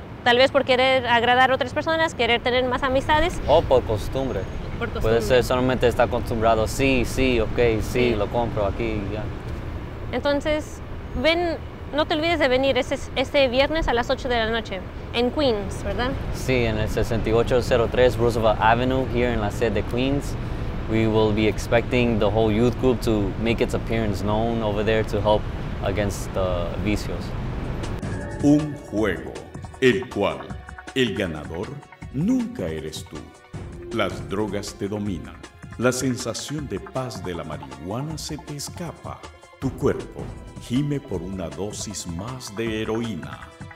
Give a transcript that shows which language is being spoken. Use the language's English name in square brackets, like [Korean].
[Spanish] Tal vez por querer agradar a otras personas, querer tener más amistades. O por costumbre. Puede ser, solamente está acostumbrado, sí, sí, ok, sí, sí, lo compro aquí, ya. Entonces, ven, no te olvides de venir este viernes a las 8 de la noche, en Queens, ¿verdad? Sí, en el 6803 Roosevelt Avenue, [English] here in [Spanish] la sede de Queens. [English] We will be expecting the whole youth group to make its appearance known over there to help against the vicios. [Spanish] Un juego, el cual, el ganador, nunca eres tú. Las drogas te dominan. La sensación de paz de la marihuana se te escapa. Tu cuerpo gime por una dosis más de heroína.